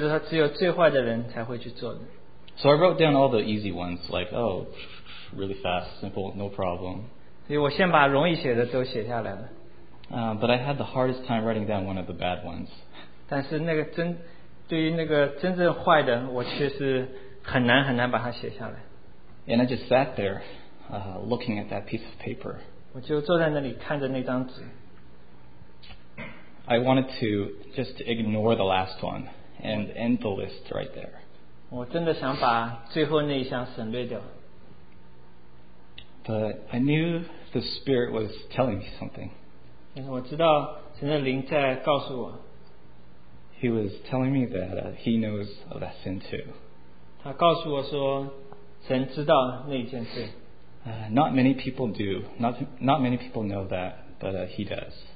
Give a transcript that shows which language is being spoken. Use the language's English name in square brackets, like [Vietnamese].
[Chinese] 那些我们觉得他只有最坏的人才会去做的。 [English] So I wrote down all the easy ones, like, oh, really fast, simple, no problem. [Chinese] 所以我先把容易写的都写下来了。 [English] But I had the hardest time writing down one of the bad ones. [Chinese] 但是那个真对于那个真正坏的，我却是很难很难把它写下来。 [English] And I just sat there, looking at that piece of paper. [Chinese] 我就坐在那里看着那张纸。 [English] I wanted to just ignore the last one and end the list right there. [Chinese] 我真的想把最后那一项省略掉。 [English] But I knew the Spirit was telling me something. [Chinese] 我知道神的灵在告诉我。 [English] He was telling me that he knows of that sin too. [Chinese] 他告诉我说神知道那一件事。 [English] Not many people do. Not many people know that, but he does.